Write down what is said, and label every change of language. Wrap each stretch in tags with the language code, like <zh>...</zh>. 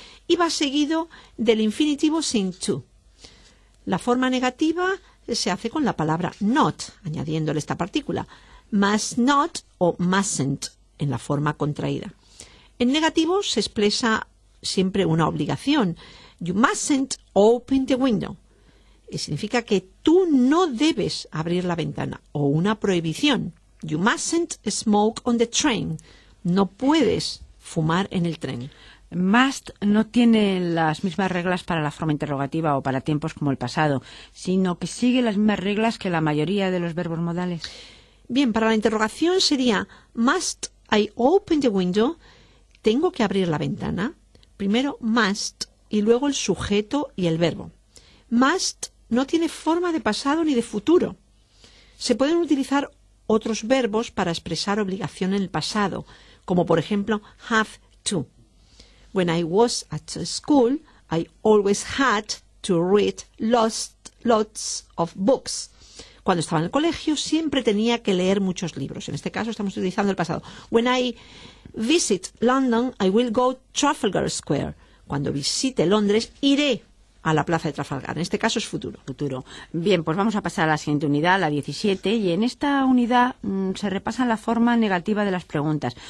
<es>Y va seguido del infinitivo sin to. La forma negativa se hace con la palabra not, añadiéndole esta partícula. Must not o mustn't en la forma contraída. En negativo se expresa siempre una obligación.</es> <en>You mustn't open the window.</en> <es>Y significa que tú no debes abrir la ventana o una prohibición.</es> <en>You mustn't smoke on the train.</en> <es>No puedes fumar en el tren. Must no tiene las mismas reglas para la forma interrogativa o para tiempos como el pasado, sino que sigue las mismas reglas que la mayoría de los verbos modales. Bien, para la interrogación sería</es> <en>must I open the window?</en> <es>¿Tengo que abrir la ventana? Primero must y luego el sujeto y el verbo. Must no tiene forma de pasado ni de futuro. Se pueden utilizar otros verbos para expresar obligación en el pasado, como por ejemplo have to.</es> <en>When I was at school, I always had to read lots of books.</en> <es>Cuando estaba en el colegio, siempre tenía que leer muchos libros. En este caso, estamos utilizando el pasado.</es> <en>When I visit London, I will go to Trafalgar Square.</en> <es>Cuando visite Londres, iré a la plaza de Trafalgar. En este caso, es futuro. Futuro. Bien, pues vamos a pasar a la siguiente unidad, la 17. Y en esta unidad se repasa la forma negativa de las preguntas.</es>